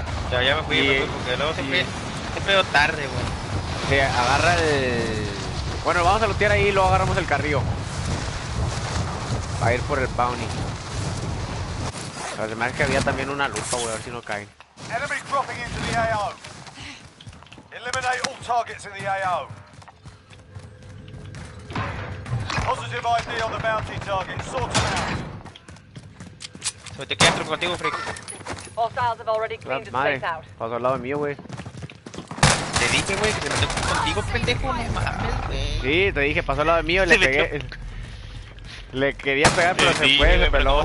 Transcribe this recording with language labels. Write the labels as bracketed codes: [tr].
[es] Ya me fui, sí, porque luego siempre veo tarde, güey. Sí, agarra el. Bueno, vamos a lootear ahí y luego agarramos el carrillo. Va a ir por el bounty. Además es que había también una lupa, güey, a ver si no cae. [en] Enemy dropping into the AO. Eliminate all targets in the AO. Positive ID on the bounty target. Sort them out. [es] Se metió aquí adentro contigo, [en] Frick. Have already cleaned the space out. [es] Pasó al lado mío, güey. Te dije, güey, que se metió contigo, pendejo. No mames, güey. Sí, te dije, pasó al lado mío y le pegué. Le quería pegar, pero se fue, le peló.